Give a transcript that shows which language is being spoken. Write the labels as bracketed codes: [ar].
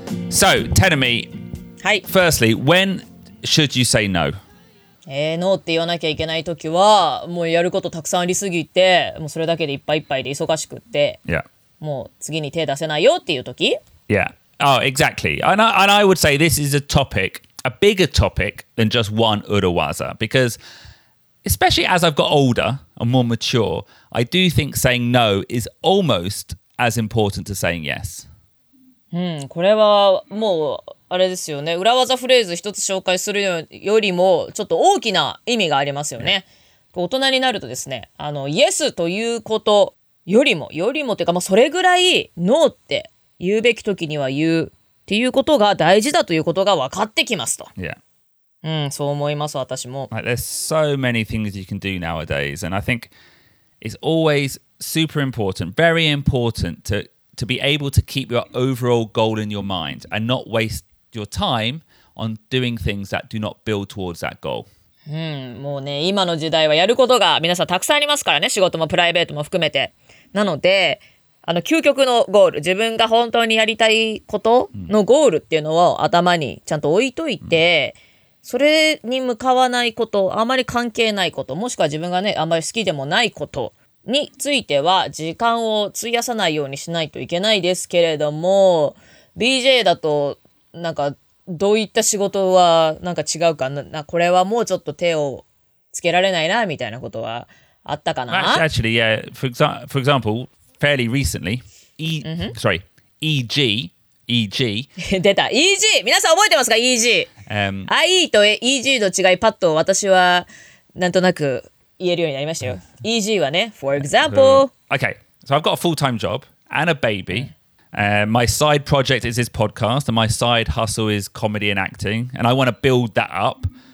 [en] So, tell me... [ja] はい、 [en] Firstly, when should you say no? [ja] No って言わなきゃいけないときは、もうやることたくさんありすぎて、もうそれだけでいっぱいいっぱいで忙しくって、 [en] yeah. [ja] もう次に手出せないよっていうとき [en] Yeah, oh, exactly. And I would say this is a topic, a bigger topic than just one urawaza. Because especially as I've got older and more mature, I do think saying no is almost as important to saying yes. [ja] これはもうあれですよね。裏技フレーズ一つ紹介するよりもちょっと大きな意味がありますよね。大人になるとですね、あのイエスということよりもというか、まあ、それぐらいノーって言うべき時には言うっていうことが大事だということが分かってきますと。 [en] Yeah. [ja] そう思います私も。 [en] Like, there's so many things you can do nowadays, and I think it's always super important, very important to be able to keep your overall goal in your mind and not waste your time on doing things that do not build towards that goal. [ja] もうね、今の時代はやることが皆さんたくさんありますからね、仕事もプライベートも含めて。なので、あの究極のゴール、自分が本当にやりたいことのゴールっていうのを頭にちゃんと置いといて、それに向かわないこと、あまり関係ないこと、もしくは自分がね、あまり好きでもないこと、については時間を費やさないようにしないといけないですけれども、BJ だとなんかどういった仕事はなんか違うかな、これはもうちょっと手をつけられないなみたいなことはあったかな。 [en] Actually, yeah. For example, fairly recently, EG [ja] 出た。EG 皆さん覚えてますか ？EG。 IE と EG の違いパッと私はなんとなく。言えるようになりましたよ。 EG はね、 [en] for example. Okay, so I've got a full-time job and a baby. My side project is this podcast, and my side hustle is comedy and acting, and I want to build that up.